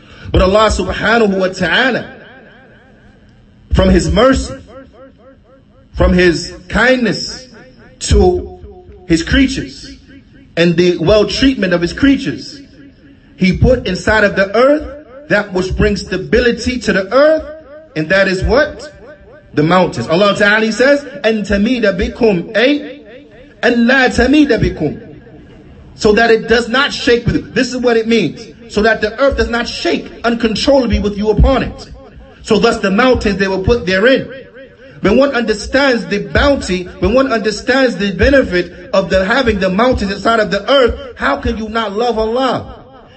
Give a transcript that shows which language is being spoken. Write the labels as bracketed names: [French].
[English] But Allah subhanahu wa ta'ala, from His mercy, from His kindness to His creatures, and the well-treatment of His creatures, He put inside of the earth that which brings stability to the earth. And that is what? The mountains. [Arabic] Allah Ta'ala [English] says, [Arabic] أَن تَمِيدَ بِكُمْ أَيْ أَن لَا تَمِيدَ بِكُمْ. [English] So that it does not shake with you. This is what it means. So that the earth does not shake uncontrollably with you upon it. So thus the mountains they were put therein. When one understands the bounty, when one understands the benefit of the having the mountains inside of the earth, how can you not love Allah?